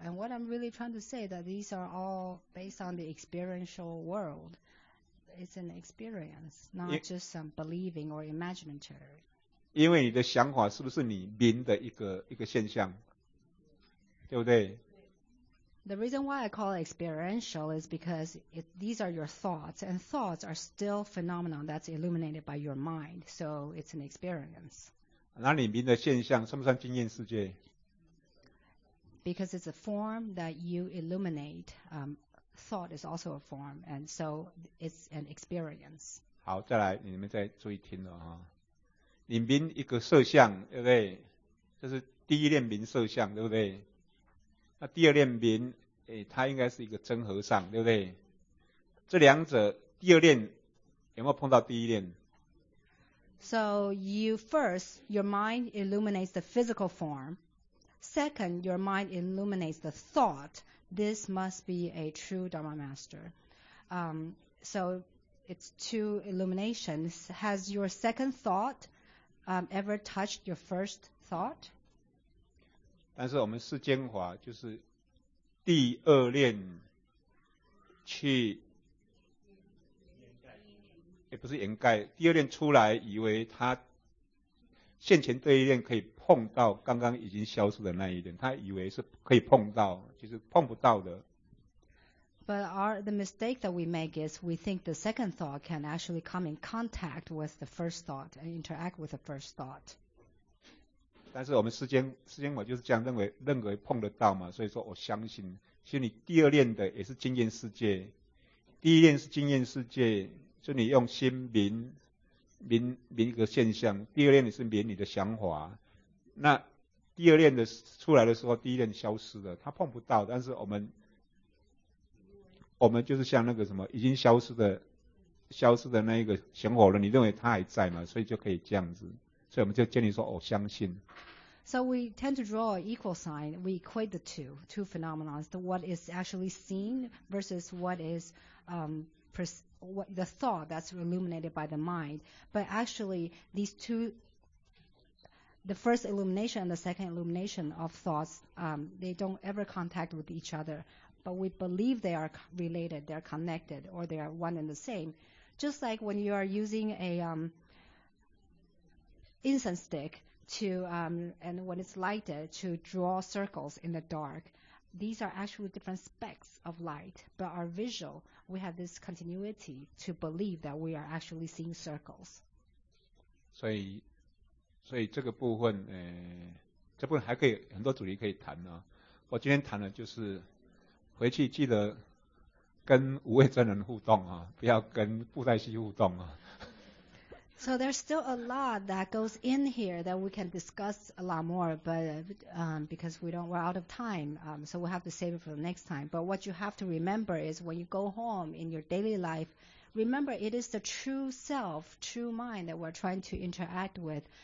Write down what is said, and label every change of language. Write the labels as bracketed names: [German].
[English] And what I'm really trying to say that these are all based on the experiential world. It's an experience, not just some believing or imaginary. [Chinese] 因为你的想法是不是你明的一个现象，对不对？ [English] The reason why I call it experiential is because these are your thoughts, and thoughts are still phenomena that's illuminated by your mind, so it's an experience. [Chinese] 那里面的现象算不算经验世界？ [English] Because it's a form that you illuminate, thought is also a form, and so it's an experience. [Chinese] 好，再来，你们再注意听了哈。里面一个色相，对不对？这是第一念名色相，对不对？那第二念名，它应该是一个真和尚，对不对？这两者第二念有没有碰到第一念？ [English] So you first, your mind illuminates the physical form. Second, your mind illuminates the thought. This must be a true Dharma master. So it's two illuminations. Has your second thought, ever touched your first thought? [Chinese] 但是我们世间法就是第二念去，也不是掩盖，第二念出来以为他现前这一念可以碰到刚刚已经消失的那一念，他以为是可以碰到，其实碰不到的。 [English] But the mistake that we make is we think the second thought can actually come in contact with the first thought and interact with the first thought. [Chinese] 但是我们世间法就是这样认为，任何碰得到嘛，所以说我相信，心里第二念的也是经验世界，第一念是经验世界，就你用心明一个现象，第二念你是明你的想法，那第二念的出来的时候，第一念消失了，它碰不到，但是我们就是像那个什么已经消失的那一个玄火了，你认为它还在嘛，所以就可以这样子，所以我们就建立说，我相信。 [English] So we tend to draw an equal sign. We equate the two phenomena: what is actually seen versus what is the thought that's illuminated by the mind. But actually, these two, the first illumination and the second illumination of thoughts, they don't ever contact with each other. But we believe they are related, they're connected, or they are one and the same. Just like when you are using a incense stick and when it's lighted to draw circles in the dark. These are actually different specks of light, but our visual, we have this continuity to believe that we are actually seeing circles. [Chinese] 所以这个部分，这部分还可以很多主题可以谈啊。我今天谈的就是回去记得跟无畏真人互动啊，不要跟布袋戏互动啊。 [English] So there's still a lot that goes in here that we can discuss a lot more, but because we're out of time, so we'll have to save it for the next time. But what you have to remember is when you go home in your daily life, remember it is the true self, true mind that we're trying to interact with.